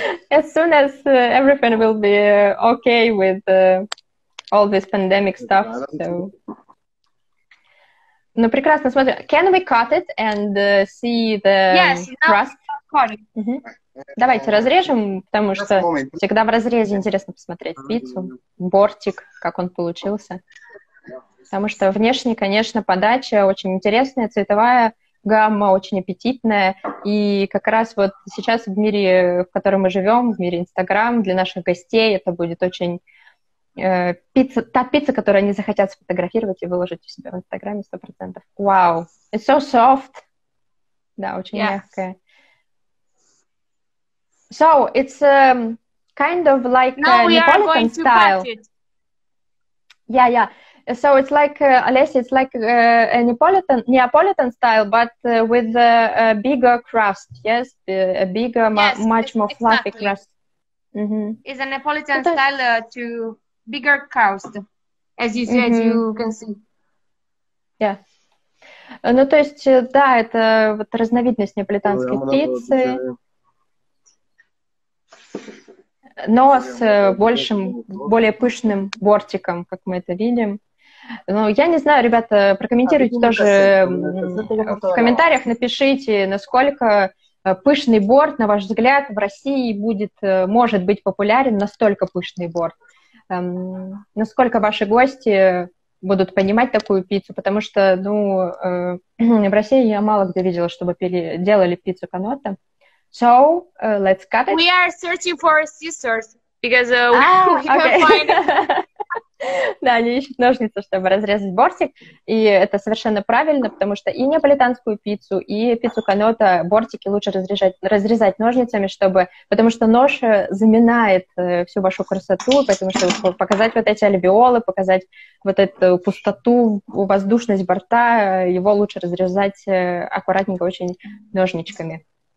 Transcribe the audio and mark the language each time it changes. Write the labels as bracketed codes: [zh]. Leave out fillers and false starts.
[en] As soon as everything will be okay with all this pandemic stuff. So. [ru] Ну прекрасно, смотри. [en] Can we cut it and see the crust? Yes, now we're cutting. [ru] Давайте разрежем, потому что всегда в разрезе интересно посмотреть пиццу, бортик, как он получился. Потому что внешне, конечно, подача очень интересная, цветовая гамма очень аппетитная. И как раз вот сейчас в мире, в котором мы живем, в мире Инстаграм, для наших гостей это будет очень пицца, та пицца, которую они захотят сфотографировать и выложить у себя в Инстаграме 100%. Вау! [en] It's so soft! [ru] Да, очень мягкая. [en] So it's kind of like Neapolitan style. So it's like Alessia, it's like a Neapolitan style, but with a bigger crust. Yes, a bigger, much more fluffy crust. It's a Neapolitan style to bigger crust, as you see, as you can see. Yeah. [ru] Ну то есть да, это вот разновидность неаполитанской пиццы. Но с большим, более пышным бортиком, как мы это видим. Ну, я не знаю, ребята, прокомментируйте тоже в комментариях, напишите, насколько пышный борт, на ваш взгляд, в России будет, может быть популярен, настолько пышный борт. Насколько ваши гости будут понимать такую пиццу, потому что, ну, в России я мало где видела, чтобы делали пиццу каната. [en] So, let's cut it. We are searching for scissors, because we can find it. [ru] Да, они ищут ножницы, чтобы разрезать бортик, и это совершенно правильно, потому что и неаполитанскую пиццу, и пиццу канота бортики лучше разрезать ножницами, чтобы, потому что нож заминает всю вашу красоту, потому что показать вот эти альвеолы, показать вот эту пустоту, воздушность борта, его лучше разрезать аккуратненько очень ножничками.